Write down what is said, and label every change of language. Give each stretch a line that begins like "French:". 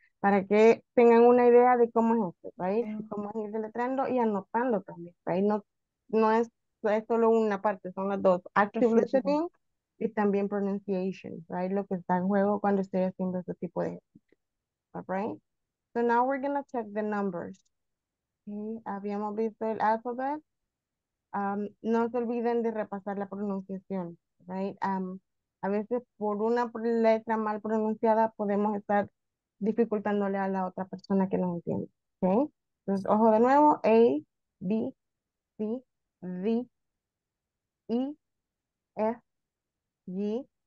Spanish: Para que tengan una idea de cómo es esto, ¿right? Cómo es ir deletreando y anotando también, ¿right? No es solo una parte, son las dos. Active listening y también pronunciation, ¿right? Lo que está en juego cuando estoy haciendo este tipo de ejercicio, ¿right?
English: So now we're going to check the numbers.
Spanish: ¿Sí? Habíamos visto el alphabet. No se olviden de repasar la pronunciación, ¿right? A veces por una letra mal pronunciada podemos estar dificultándole a la otra persona que no entiende, ¿okay? Entonces, ojo de nuevo, A, B, C, D, E, F, G,